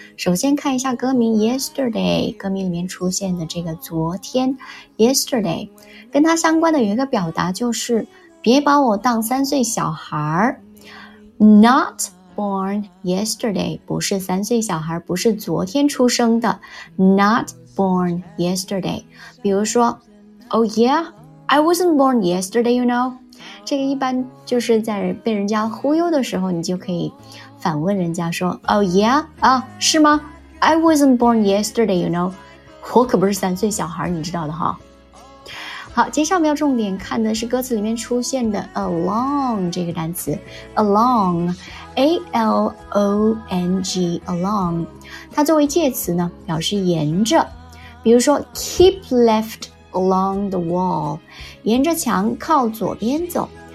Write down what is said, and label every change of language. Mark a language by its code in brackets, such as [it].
[zh] 首先看一下歌名 Yesterday， 歌名里面出现的这个昨天 Yesterday， 跟它相关的有一个表达就是别把我当三岁小孩， [en] Not born yesterday， [zh] 不是三岁小孩，不是昨天出生的， Not born yesterday。比如说 [en] Oh yeah, I wasn't born yesterday, you know。 [zh] 这个一般就是在被人家忽悠的时候，你就可以反问人家说 [en] Oh yeah, [zh] 啊，是吗？ [en] I wasn't born yesterday, you know。 [zh] 我可不是三岁小孩，你知道的哈。好，接下来我们要重点看的是歌词里面出现的 along 这个单词。 along A-L-O-N-G along， 它作为介词呢表示沿着，比如说 [en] keep leftalong the wall， [zh] 沿着墙靠左边走。